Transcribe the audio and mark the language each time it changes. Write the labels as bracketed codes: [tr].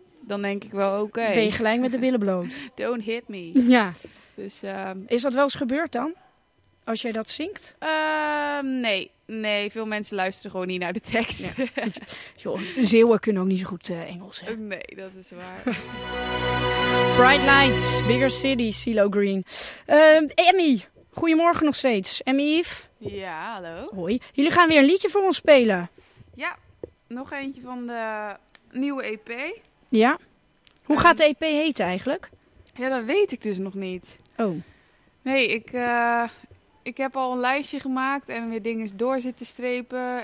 [nl] Dan denk ik wel, oké. Ben je gelijk met de billen bloot. [en] Don't hit me. [nl] Ja. Dus, is dat wel eens gebeurd dan? Als jij dat zingt? Nee. Nee, veel mensen luisteren gewoon niet naar de tekst. Ja. Joh, zeeuwen kunnen ook niet zo goed Engels, hè? Nee, dat is waar. [en] Bright lights, bigger city, CeeLo Green. [nl] Emmy, goedemorgen nog steeds. Emmy Yves. Ja, hallo. Hoi. Jullie gaan weer een liedje voor ons spelen. Ja, nog eentje van de nieuwe EP. Ja. Hoe gaat de EP heten eigenlijk? Ja, dat weet ik dus nog niet. Oh. Nee, ik heb al een lijstje gemaakt en weer dingen door zitten strepen.